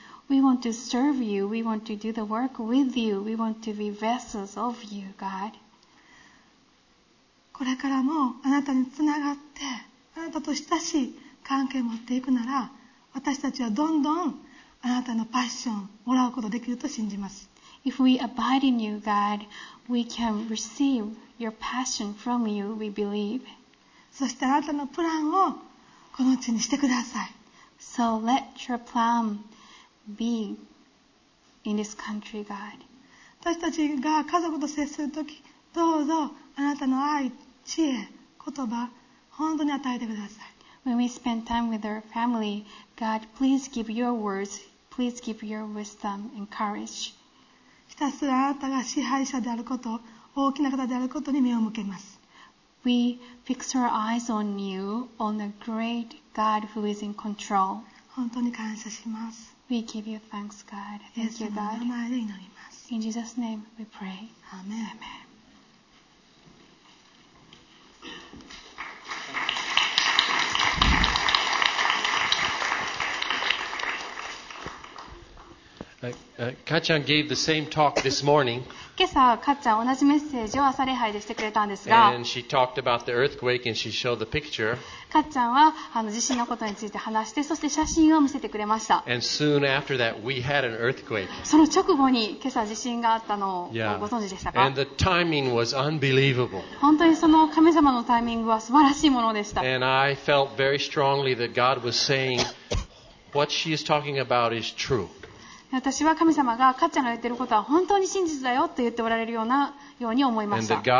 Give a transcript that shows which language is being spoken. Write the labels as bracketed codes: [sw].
[en] We want to serve you. We want to do the work with you. We want to be vessels of you, God. [ja] これからもあなたにつながってあなたと親しい関係を持っていくなら私たちはどんどんあなたのパッションをもらうことができると信じます。 [en] If we abide in you, God, we can receive your passion from you, we believe. [ja] そしてあなたのプランをこの地にしてください。 [en] So let your plan be in this country, God. [ja] 私たちが家族と接するときどうぞあなたの愛、知恵、言葉、本当に与えてください。 [en] When we spend time with our family, God, please give your words, please give your wisdom and courage. [ja] ひたすらあなたが支配者であること、大きな方であることに目を向けます。 [en] We fix our eyes on you, on the great God who is in control. [ja] 本当に感謝します。 [en] We give you thanks, God. Thank you, God. [ja] イエスの名前で祈ります。 [en] In Jesus' name we pray. Amen. Amen. かっちゃん gave the same talk this morning. [ja] 今朝かっちゃん同じメッセージを朝礼拝でしてくれたんですが、 [en] and she talked about the earthquake and she showed the picture. [ja] かっちゃんは地震のことについて話して、そして写真を見せてくれました。 [en] And soon after that, we had an earthquake. [ja] その直後に今朝地震があったのをご存知でしたか？ [en] And the timing was unbelievable. [ja] 本当にその神様のタイミングは素晴らしいものでした。 [en] And I felt very strongly that God was saying what she is talking about is true. [ja] 私は神様がかっちゃんが言っていることは本当に真実だよと言っておられるようなように思いました。